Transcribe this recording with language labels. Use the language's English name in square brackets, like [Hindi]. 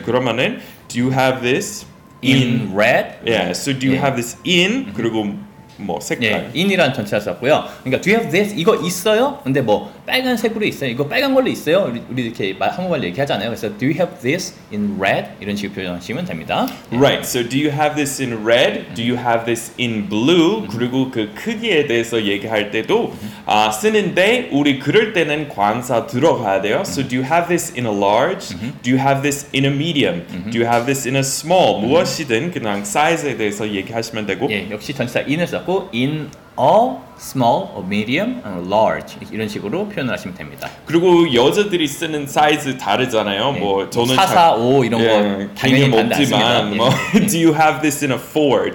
[Korean] 그러면은 [English] do you have this? In red? Yeah, so do you have this in? [Korean] 그리고 뭐 색깔 in이라는 전체가 썼고요. 그러니까 [English] do you have this? [Korean] 이거 있어요? 근데 뭐 빨간색으로 있어요? 이거 빨간 걸로 있어요? 우리 이렇게 한국말로 얘기하잖아요. 그래서 [English] do you have this in red? [Korean] 이런 식으로 표현하시면 됩니다. [English] Right, so do you have this in red? Do you have this in blue? [Korean] 그리고 그 크기에 대해서 얘기할 때도 쓰는데 우리 그럴 때는 관사 들어가야 돼요. [English] So do you have this in a large? Do you have this in a medium? Do you have this in a small? [Korean] 무엇이든 그냥 size에 대해서 얘기하시면 되고 역시 전체 in을 썼고 [English] in a small, a medium, a large [Korean] 이런 식으로 표현을 하시면 됩니다. 그리고 여자들이 쓰는 사이즈 다르잖아요. 뭐 저는 4, 4, 5 이런 거 당연히 없지만 뭐 [English] do you have this in a 4?